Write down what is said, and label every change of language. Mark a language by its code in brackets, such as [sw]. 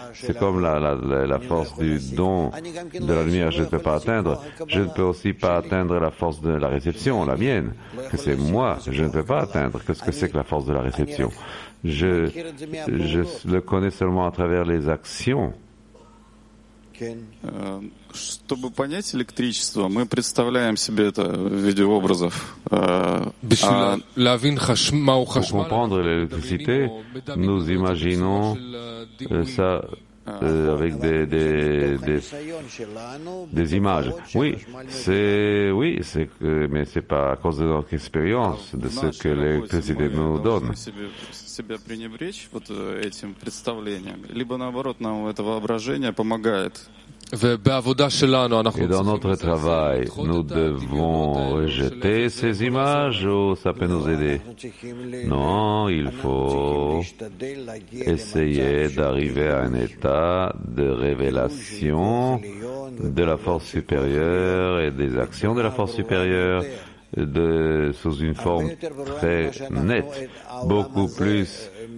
[fr] C'est comme la force du don de la lumière, je ne peux pas atteindre. Je ne peux aussi pas atteindre la force de la réception, la mienne, que c'est moi, je ne peux pas atteindre. Qu'est-ce que c'est que la force de la réception? Je le connais seulement à travers les actions. [ru] Чтобы понять электричество, мы представляем себе это в виде образов. [fr] Pour comprendre l'électricité, nous imaginons ça avec des images. Mais c'est pas à cause de notre expérience, de ce que l'électricité nous donne. [ru] Себя пренебречь вот этим представлением, либо наоборот, нам это воображение помогает. [fr] Et dans notre travail, nous devons rejeter ces images ou ça peut nous aider? Non, il faut essayer d'arriver à un état de révélation de la force supérieure et des actions de la force supérieure sous une forme très nette, beaucoup plus